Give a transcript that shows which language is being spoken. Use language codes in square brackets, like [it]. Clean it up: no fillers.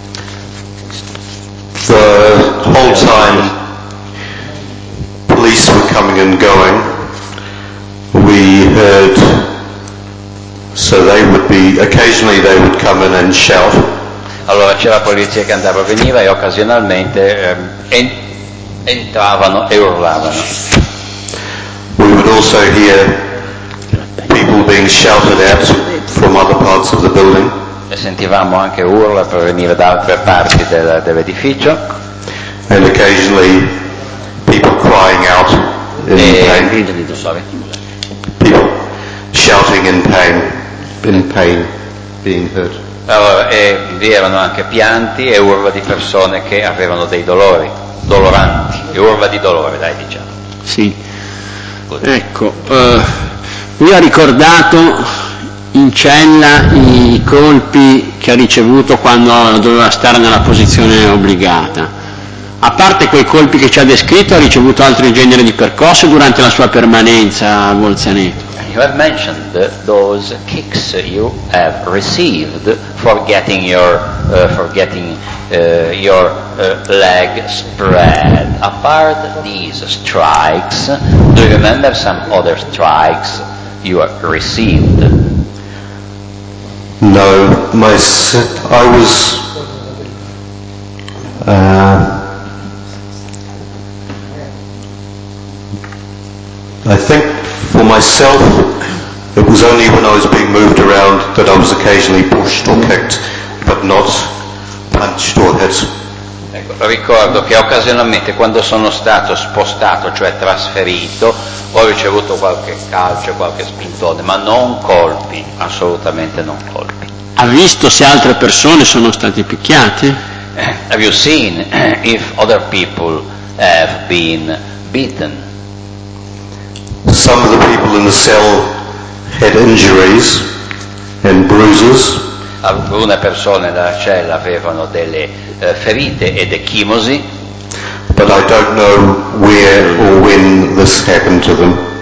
[en] The whole time police were coming and going. We heard, so they would be, occasionally they would come in and shout. [it] Allora c'era la polizia che andava e veniva e occasionalmente entravano e urlavano. [en] We would also hear people being shouted at from other parts of the building. [it] E sentivamo anche urla provenire da altre parti dell'edificio. [en] And occasionally people crying out in pain. People shouting in pain, being hurt. [it] Allora, e vi erano anche pianti e urla di persone che avevano dei dolori, doloranti, e urla di dolore, dai, diciamo. Sì. Ecco, lui ha ricordato in cella i colpi che ha ricevuto quando doveva stare nella posizione obbligata. A parte quei colpi che ci ha descritto, ha ricevuto altri generi di percosse durante la sua permanenza a Bolzaneto? [en] You have mentioned those kicks you have received for getting your leg spread. Apart these strikes, do you remember some other strikes you have received? No, I was I think for myself it was only when I was being moved around that I was occasionally pushed or kicked, but not punched or had some. [it] Ecco, ricordo che occasionalmente quando sono stato spostato, cioè trasferito, ho ricevuto qualche calcio, qualche spintone, ma non colpi, assolutamente non colpi. Ha visto se altre persone sono state picchiate? [en] Have you seen if other people have been beaten? Some of the people in the cell had injuries and bruises. [it] Alcune persone della cella avevano delle ferite ed ecchimosi. [en] But I don't know where or when this happened to them.